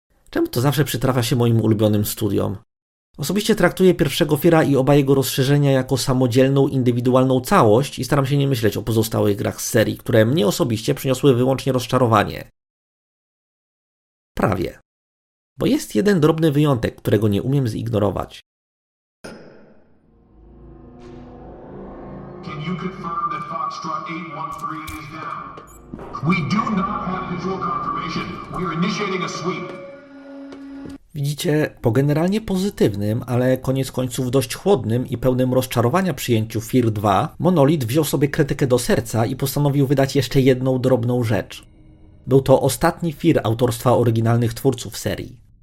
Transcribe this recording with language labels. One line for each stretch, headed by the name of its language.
Polish: Czemu to zawsze przytrafia się moim ulubionym studiom? Osobiście traktuję pierwszego Fira i oba jego rozszerzenia jako samodzielną, indywidualną całość i staram się nie myśleć o pozostałych grach z serii, które mnie osobiście przyniosły wyłącznie rozczarowanie. Prawie. Bo jest jeden drobny wyjątek, którego nie umiem zignorować.
English: Can you confirm that Foxtrot 813 is down? We do not have control confirmation. We are initiating a sweep.
Polish: Widzicie, po generalnie pozytywnym, ale koniec końców dość chłodnym i pełnym rozczarowania przyjęciu Fir 2, Monolith wziął sobie krytykę do serca i postanowił wydać jeszcze jedną drobną rzecz. Był to ostatni Fir autorstwa oryginalnych twórców serii.